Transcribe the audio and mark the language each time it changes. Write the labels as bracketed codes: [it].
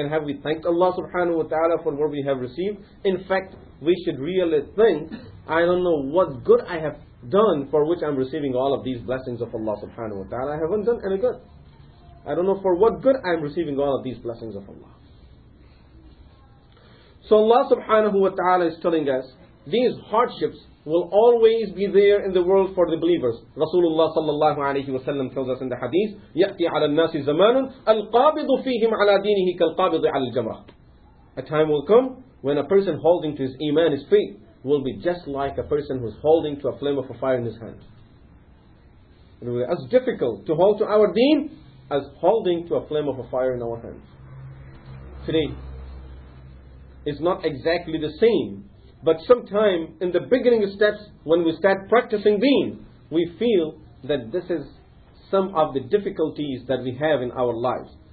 [en] And have we thanked Allah subhanahu wa ta'ala for what we have received? In fact, we should really think, I don't know what good I have done for which I'm receiving all of these blessings of Allah subhanahu wa ta'ala. I haven't done any good. I don't know for what good I'm receiving all of these blessings of Allah. So Allah subhanahu wa ta'ala is telling us, these hardships will always be there in the world for the believers. Rasulullah sallallahu alayhi wa sallam tells us in the hadith, [ar] يَأْتِي عَلَى النَّاسِ زَمَانٌ الْقَابِضُ فِيهِمْ عَلَى دِينِهِ كَالْقَابِضِ عَلَى الْجَمْرَةِ. [en] A time will come when a person holding to his iman, his faith, will be just like a person who's holding to a flame of a fire in his hand. It will be as difficult to hold to our deen as holding to a flame of a fire in our hands. Today, it's not exactly the same, but sometime in the beginning steps, when we start practicing deen, we feel that this is some of the difficulties that we have in our lives.